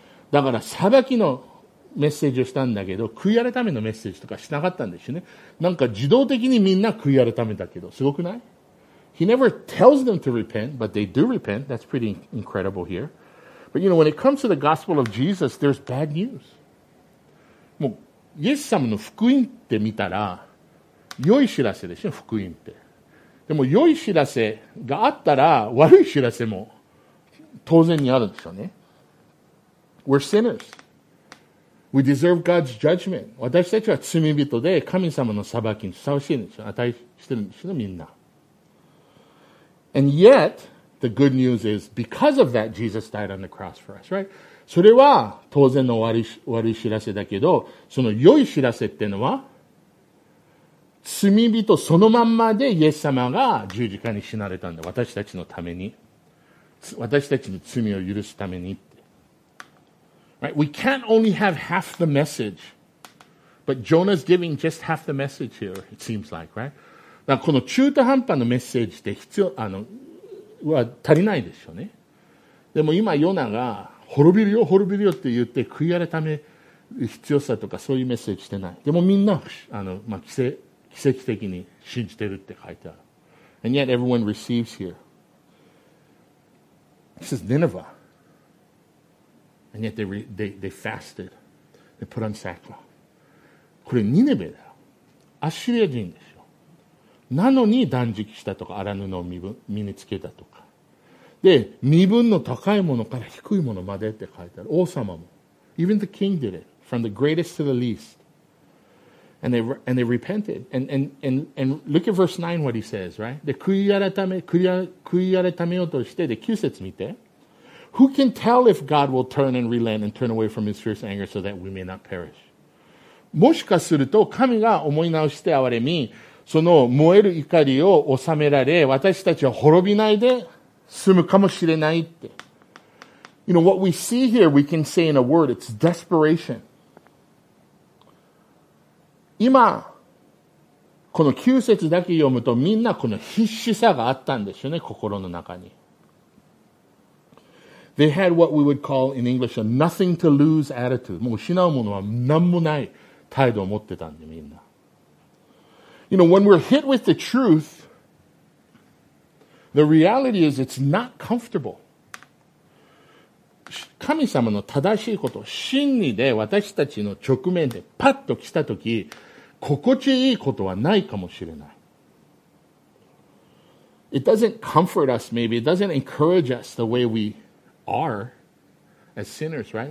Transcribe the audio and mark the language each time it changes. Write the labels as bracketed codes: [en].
[ja] だから裁きのメッセージをしたんだけど、悔い改めのメッセージとかしなかったんですよね。なんか自動的にみんな悔い改めだけど、すごくない？ [en] He never tells them to repent, but they do repent. That's pretty incredible here. But you know, when it comes to the gospel of Jesus, there's bad news. [ja] もうイエス様の福音って見たら良い知らせでしょ、福音って。でも良い知らせがあったら悪い知らせも当然にあるんでしょうね。 [en] We're sinners. We deserve God's judgment. [ja] 私たちは罪人で神様の裁きにふさわしいんですよ。値してるんですよ、みんな。 [en] And yet, the good news is, because of that, Jesus died on the cross for us, right? [ja] それは当然の悪い知らせだけど、その良い知らせっていうのは、罪人そのまんまでイエス様が十字架に死なれたんだ。私たちのために。私たちの罪を許すために。 [en] Right? We can't only have half the message. But Jonah's giving just half the message here, it seems like, right? [ja] だからこの中途半端のメッセージって必要、は足りないでしょうね。でも今、ヨナが滅びるよ、滅びるよって言って、悔い改め必要さとかそういうメッセージしてない。でもみんな、奇跡的に信じてるって書いてある。 [en] And yet everyone receives here. This is Nineveh. And yet they fasted. They put on sackcloth. [ja] これニネベだよ。アッシリア人でしょ。なのに断食したとか、荒布を身につけたとか。で、身分の高いものから低いものまでって書いてある。王様も。 [en] Even the king did it. From the greatest to the least. And they repented. And look at verse 9 what he says, right? [ja] で、悔い改めようとして、で、9節見て。 [en] Who can tell if God will turn and relent and turn away from his fierce anger so that we may not perish? [ja] もしかすると神が思い直して憐れみ、その燃える怒りを収められ、私たちは滅びないで済むかもしれないって。 [en] You know, what we see here, we can say in a word, it's desperation. [ja] 今、この9節だけ読むとみんなこの必死さがあったんですよね、心の中に。 [en] They had what we would call in English a nothing to lose attitude. [ja] もう失うものは何もない態度を持ってたんで、みんな。 [en] You know, when we're hit with the truth, the reality is it's not comfortable. [ja] 神様の正しいこと、真理で私たちの直面でパッと来たとき、心地いいことはないかもしれない。 [en] It doesn't comfort us, maybe. It doesn't encourage us the way we... are as sinners, right?